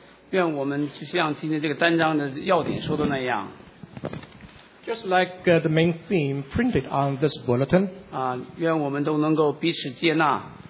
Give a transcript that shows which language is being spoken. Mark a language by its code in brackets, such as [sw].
[zh] 愿我们就像今天这个单章的要点说的那样。 [en] Just like the main theme printed on this bulletin. [zh] 愿我们都能够彼此接纳。